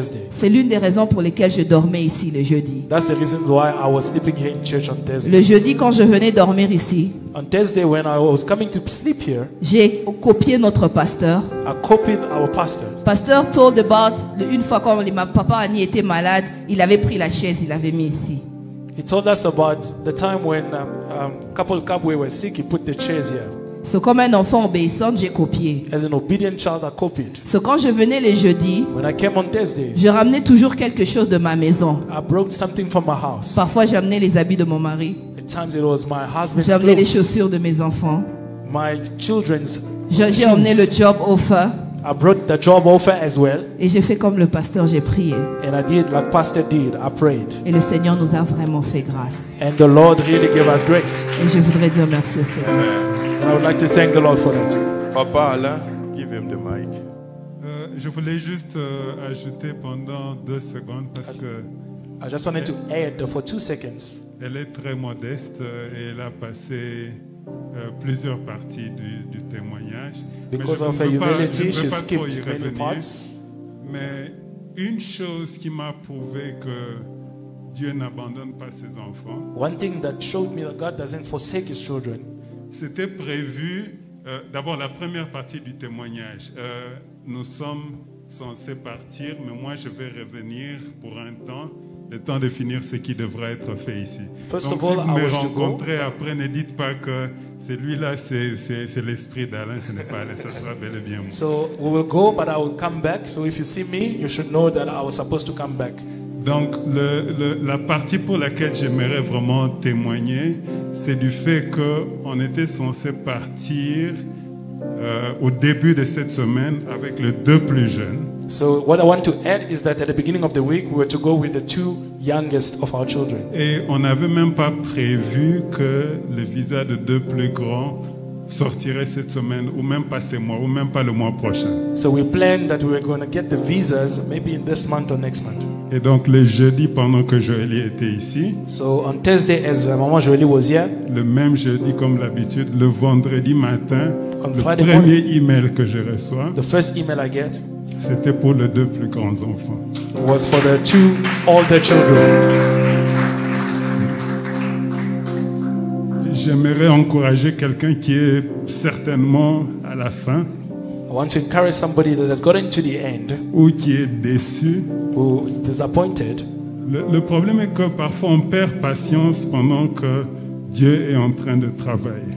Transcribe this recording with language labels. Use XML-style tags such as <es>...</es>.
<fr>C'est l'une des raisons pour lesquelles je dormais ici le jeudi.</fr> <en>That's the reason why I was sleeping here in church on Thursday.</en> <fr>Le jeudi, quand je venais dormir ici,</fr> <en>on Thursday, when I was coming to sleep here,</en> <fr>j'ai copié notre pasteur.</fr> <en>I copied our pastor. Pasteur told about</en> <fr>une fois quand ma papa Annie était malade, il avait pris la chaise, il l'avait mis ici.</fr> <en>He told us about the time when couple Kabwe were sick, he put the chairs here.</en> <fr>So, comme un enfant obéissant, j'ai copié.</fr> <en>As an obedient child, I copied.</en> <fr>So, quand je venais les jeudis,</fr> <en>when I came on Thursdays,</en> <fr>je ramenais toujours quelque chose de ma maison.</fr> <en>I brought something from my house.</en> <fr>Parfois, j'amenais les habits de mon mari.</fr> <en>At times it was my husband's</en> <fr>j'amenais</fr> <en>clothes.</en> <fr>Les chaussures de mes enfants.</fr> <en>My children's</en> <fr>j'ai emmené le job offer.</fr> <en>I brought the job offer as well.</en> <fr>Et j'ai fait comme le pasteur, j'ai prié.</fr> <en>And I did like pastor did, I prayed.</en> <fr>Et le Seigneur nous a vraiment fait grâce.</fr> <en>And the Lord really gave us grace.</en> <fr>Et je voudrais dire merci au Seigneur.</fr> <en>And I would like to thank the Lord for that. Papa Alain, give him the mic.</en> <fr>Je voulais juste ajouter pendant deux secondes parce que</fr> <en>I just wanted to add for two seconds.</en> <fr>Elle est très modeste et elle a passé plusieurs parties du témoignage.</fr> <en>Because of her humility, she skipped many parts.</en> <fr>Mais une chose qui m'a prouvé que Dieu n'abandonne pas ses enfants.</fr> <en>One thing that showed me that God doesn't forsake his children.</en> <fr>C'était prévu, d'abord la première partie du témoignage. Nous sommes censés partir, mais moi je vais revenir pour un temps. Le temps de finir ce qui devra être fait ici.</fr> <en>First</en> <fr>donc</fr> <en>of all,</en> <fr>si vous</fr> <en>I</en> <fr>me rencontrez après, ne dites pas que celui-là c'est l'esprit d'Alain, ce n'est pas Alain, ça sera bel et bien moi.</fr> <en>So we will go, but I will come back. So if you see me, you should know that I was supposed to come back.</en> <fr>Donc la partie pour laquelle j'aimerais vraiment témoigner, c'est du fait qu'on était censé partir au début de cette semaine avec les deux plus jeunes.</fr> <en>So what I want to add is that at the beginning of the week we were to go with the two youngest of our children.</en> <fr>Et on n'avait même pas prévu que le visa de deux plus grands sortirait cette semaine ou même pas ce mois ou même pas le mois prochain.</fr> <en>So we planned that we were going to get the visas maybe in this month or next month.</en> <fr>Et donc le jeudi pendant que Joëlie était ici.</fr> <en>So on Thursday as Maman Joëlie was here.</en> <fr>Le même jeudi comme l'habitude, le vendredi matin, le premier email que je reçois.</fr> <en>The first email I get.</en> <fr>C'était pour les deux plus grands enfants.</fr> <en>It was for the two older children.</en> <fr>J'aimerais encourager quelqu'un qui est certainement à la fin.</fr> <en>I want to encourage somebody that has gotten to the end.</en> <fr>Ou qui est déçu.</fr> <en>Who is disappointed.</en> <fr>Le problème est que parfois on perd patience pendant que Dieu est en train de travailler.</fr>